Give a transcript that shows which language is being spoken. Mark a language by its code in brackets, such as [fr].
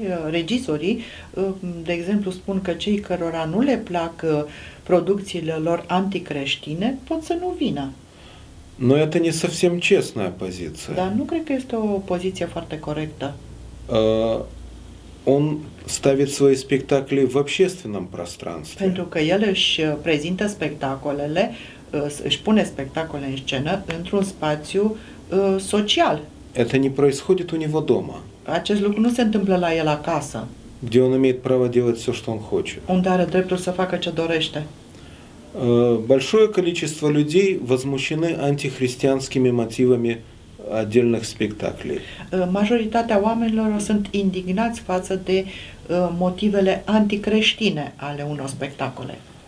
[ro] Regizorii, de exemplu, spun că cei cărora nu le plac producțiile lor anticreștine pot să nu vină. [ru] Но это не совсем честная позиция. [ro] Да, ну, cred că este o poziție foarte corectă. [ru] Он ставит свои спектакли в общественном пространстве. [ro] Pentru că el își prezintă spectacolele, își pune spectacole în scenă într-un spațiu social. [ru] Это не происходит у него дома. [ro] Acest lucru nu se întâmplă la el acasă. [ru] Где он имеет право делать все, что он хочет. [ro] Unde are dreptul să facă ce dorește. [ru] Большое количество людей возмущены антихристианскими мотивами отдельных спектаклей. [ro] Majoritatea oamenilor sunt indignați față de motivele anticreștine ale unor spectacole.